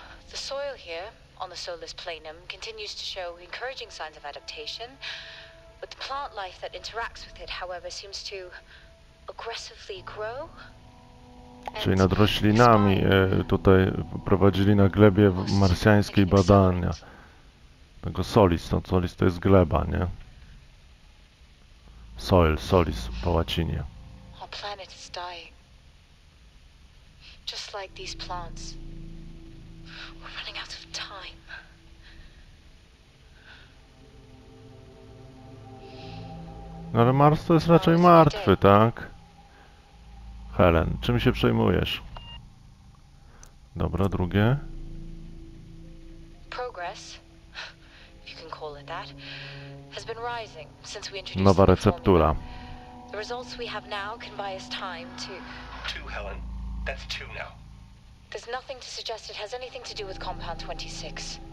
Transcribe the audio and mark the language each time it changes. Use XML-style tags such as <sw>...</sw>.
<en>The soil here on the Solus Planum continues to show encouraging signs of adaptation, but the plant life that interacts with it, however, seems to aggressively grow.</en> <pl>Czyli nad roślinami tutaj prowadzili na glebie marsjańskiej badania. Tego solis, no solis to jest gleba, nie? Soil, solis po łacinie.</pl> <en>Our planet is dying. Just like these plants. We're running out of time.</en> <pl>No ale Mars to jest raczej martwy, tak? Helen, czym się przejmujesz? Dobra, drugie.</pl> <en>Progress, if you can call it that, has been rising since we introduced.</en> <pl>Nowa receptura.</pl> <en>The results we have now can buy us time to. Two, Helen. That's two now. There's nothing to suggest it has anything to do with Compound 26.</en>